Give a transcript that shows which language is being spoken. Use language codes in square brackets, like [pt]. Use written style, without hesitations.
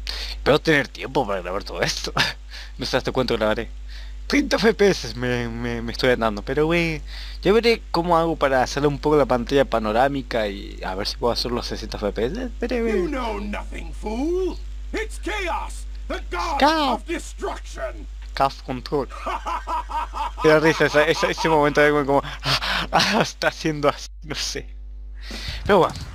[es] Espero tener tiempo para grabar todo esto. No sé hasta cuánto grabaré. 30 FPS me estoy andando, pero wey, ya veré cómo hago para hacerle un poco la pantalla panorámica y a ver si puedo hacer los 60 FPS. Veré, wey. [en] You know nothing, fool. It's chaos, the god of destruction. Chaos control. [es] Qué risa ese momento de como está haciendo así, no sé. Pero bueno.